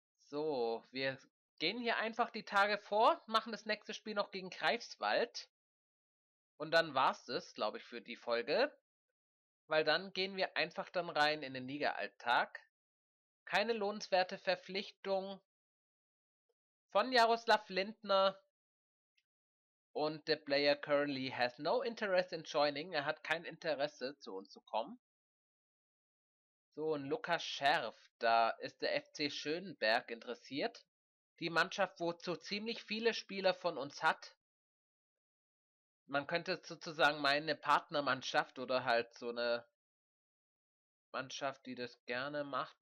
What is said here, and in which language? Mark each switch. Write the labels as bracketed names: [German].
[German] So, wir gehen hier einfach die Tage vor, machen das nächste Spiel noch gegen Greifswald. Und dann war's das, glaube ich, für die Folge. Weil dann gehen wir einfach dann rein in den Liga-Alltag. Keine lohnenswerte Verpflichtung von Jaroslav Lindner. Und der [English] Player currently has no interest in joining. [German] Er hat kein Interesse, zu uns zu kommen. So, und Lukas Scherf, da ist der FC Schönberg interessiert. Die Mannschaft, wo so ziemlich viele Spieler von uns hat. Man könnte sozusagen meine Partnermannschaft oder halt so eine Mannschaft, die das gerne macht.